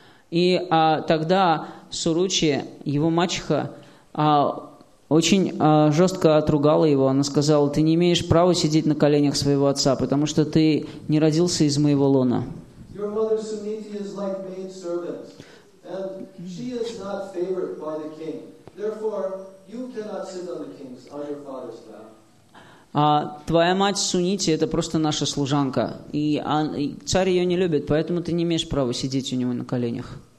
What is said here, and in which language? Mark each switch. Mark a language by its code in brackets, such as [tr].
[ru] И тогда Суручи, его мачеха, очень жестко отругала его. Она сказала, ты не имеешь права сидеть на коленях своего отца, потому что ты не родился из моего лона. [en] Your mother Suniti is like maid servant, and she is not favored by the king. Therefore, you cannot sit on the king's, on your father's lap. [ru] А твоя мать Сунити – это просто наша служанка. И царь ее не любит, поэтому ты не имеешь права сидеть у него на коленях.